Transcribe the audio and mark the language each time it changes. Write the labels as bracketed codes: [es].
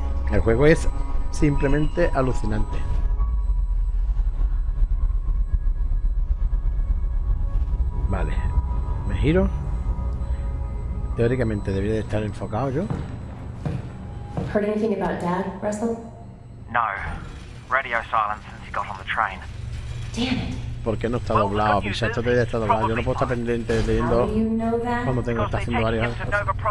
[es] El juego es simplemente alucinante. Vale, me giro. Teóricamente debería de estar enfocado yo. [en] Heard anything about Dad, Russell? No. Radio silence since he got on the train. Damn it. [es] ¿Por qué no está doblado? Pisa, esto debería estar doblado. Yo no puedo estar pendiente leyendo cuando tengo que estar haciendo varias cosas.